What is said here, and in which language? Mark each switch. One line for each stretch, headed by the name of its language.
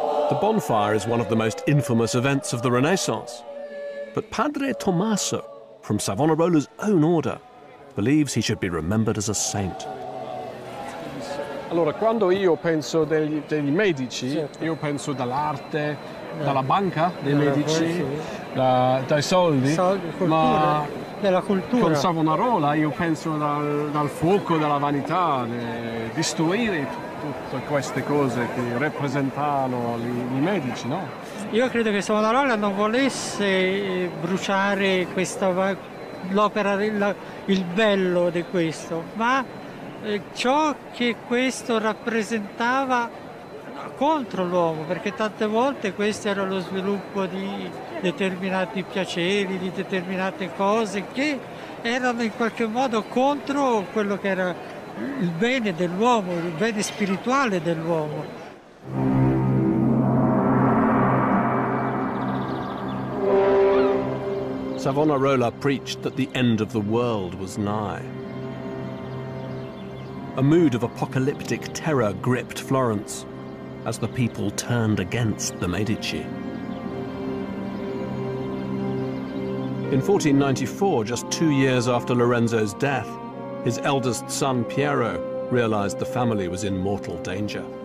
English: The bonfire is one of the most infamous events of the Renaissance. But Padre Tommaso, from Savonarola's own order, believes he should be remembered as a saint.
Italian: Allora, quando io penso dei Medici, certo. Io penso dall'arte, dalla banca dei Medici, dai soldi, cultura, ma della cultura. Con Savonarola io penso dal fuoco della vanità, distruire tutte queste cose che rappresentano i Medici, no? Io credo che Savonarola non volesse bruciare questa l'opera, il bello di questo, ma ciò che questo rappresentava contro l'uomo, perché tante volte questo era lo sviluppo di determinati piaceri, di determinate cose che erano in qualche modo contro quello che era il bene dell'uomo, il bene spirituale dell'uomo.
English: Savonarola preached that the end of the world was nigh. A mood of apocalyptic terror gripped Florence as the people turned against the Medici. In 1494, just 2 years after Lorenzo's death, his eldest son Piero realized the family was in mortal danger.